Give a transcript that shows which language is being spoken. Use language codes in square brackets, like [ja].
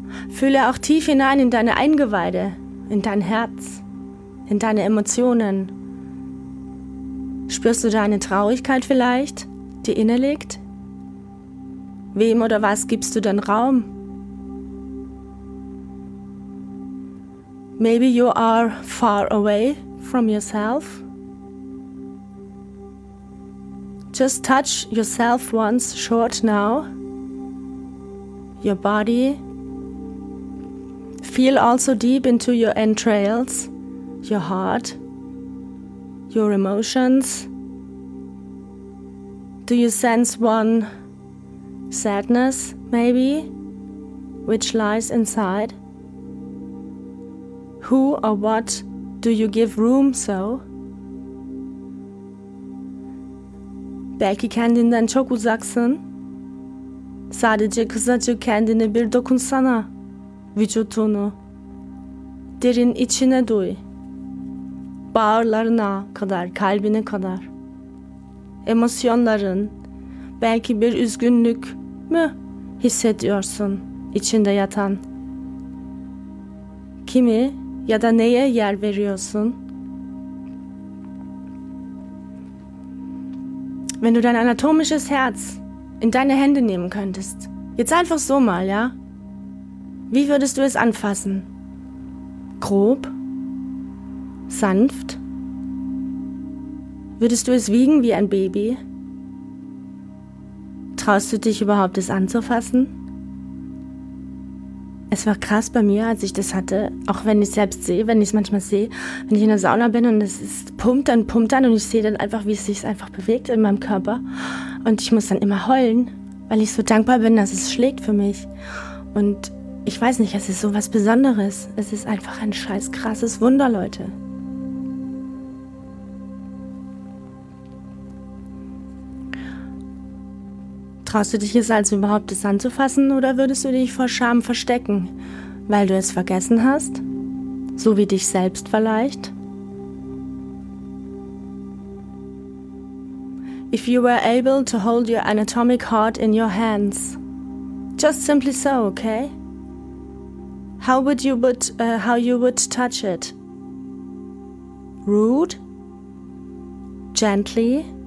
[de] Fühle auch tief hinein in deine Eingeweide, in dein Herz, in deine Emotionen. Spürst du da eine Traurigkeit vielleicht, die innerliegt? Wem oder was gibst du denn Raum? [en] Maybe you are far away from yourself. Just touch yourself once short now. Your body. Feel also deep into your entrails, your heart, your emotions. Do you sense one sadness, maybe, which lies inside? Who or what do you give room so? [tr] Belki kendinden çok uzaksın. Sadece kısacık kendine bir dokunsana. Vücutunu. Derin içine duy. Bağırlarına kadar, kalbine kadar. Emosyonların, belki bir üzgünlük mü hissediyorsun içinde yatan? Kimi ya da neye yer veriyorsun? [de] Wenn du dein anatomisches Herz in deine Hände nehmen könntest, jetzt einfach so mal, ja? Wie würdest du es anfassen? Grob? Sanft? Würdest du es wiegen wie ein Baby? Traust du dich überhaupt, es anzufassen? Es war krass bei mir, als ich das hatte, auch wenn ich es selbst sehe, wenn ich es manchmal sehe, wenn ich in der Sauna bin und es ist, pumpt dann und ich sehe dann einfach, wie es sich einfach bewegt in meinem Körper. Und ich muss dann immer heulen, weil ich so dankbar bin, dass es schlägt für mich. Und ich weiß nicht, es ist so was Besonderes. Es ist einfach ein scheiß krasses Wunder, Leute. Traust du dich es also überhaupt, es anzufassen, oder würdest du dich vor Scham verstecken, weil du es vergessen hast? So wie dich selbst vielleicht? [en] If you were able to hold your anatomic heart in your hands, just simply so, okay? How you would touch it? Rude? Gently?